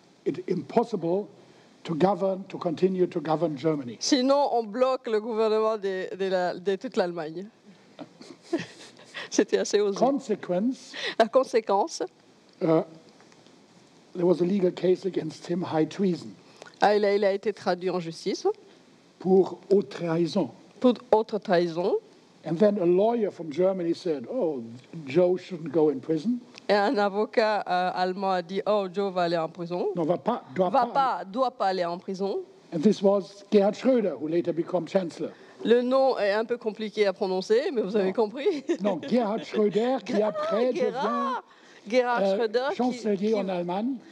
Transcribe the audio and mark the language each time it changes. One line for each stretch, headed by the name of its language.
English: It's impossible to govern, to continue to govern Germany.
French: Sinon, on bloque le gouvernement de toute l'Allemagne. C'était assez osé.
English: Consequence.
French: La conséquence.
English: There was a legal case against him, high treason.
French: Ah, il a été traduit en justice. Pour haute trahison. Pour haute trahison.
English: And then a lawyer from Germany said, oh, Joe shouldn't go in prison.
French: Et un avocat allemand a dit, oh, Joe va aller en prison. Non, doit pas aller en prison.
English: And this was Gerhard Schröder, who later became chancellor.
French: Le nom est un peu compliqué à prononcer, mais vous avez compris. Non, Gerhard Schröder, qui après devient chancelier en Allemagne.